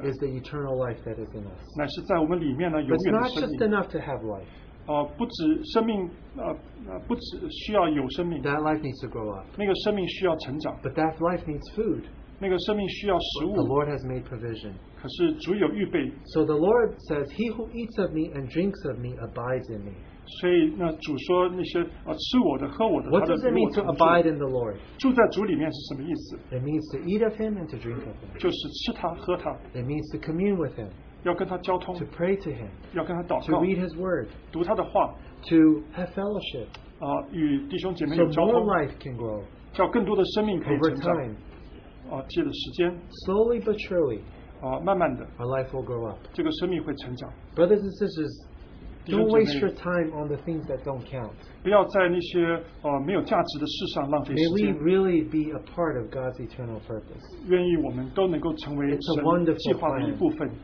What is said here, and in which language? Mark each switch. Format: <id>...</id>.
<en>is the eternal life that is in us.</en> <zh>乃是在我们里面呢,</zh> <en>but it's not just enough to have life.</en> <zh>不止生命, 不止需要有生命,</zh> <en>that life needs to grow up.</en> <zh>那个生命需要成长,</zh> <en>but that life needs food. The Lord has made provision. So the Lord says, he who eats of me and drinks of me abides in me.</en> <zh>所以那主说那些, 吃我的喝我的,</zh> <en>what does it mean to abide in the Lord?</en> <zh>住在主里面是什么意思?</zh> <en>It means to eat of him and to drink of him.</en> <zh>就是吃他,</zh> <en>it means to commune with him.</en> <zh>要跟他交通,</zh> <en>to pray to him.</en> <zh>要跟他祷告,</zh> <en>to read his word.</en> <zh>读他的话,</zh> <en>to have fellowship.</en> <zh>与弟兄姐妹有交通,</zh> <en>so more life can grow.</en> <zh>叫更多的生命可以成长,</zh> <en>over time.</en> <zh>借着时间,</zh> <en>slowly but surely,</en> <zh>慢慢的,</zh> <en>our life will grow up.</en> <zh>这个生命会成长,</zh> <en>brothers and sisters,</en> <zh>弟兄姐妹,</zh> <en>don't waste your time on the things that don't count.</en> <zh>不要在那些, 没有价值的事上浪费时间,</zh> <en>may we really be a part of God's eternal purpose.</en> <zh>愿意我们都能够成为神计划的一部分,</zh>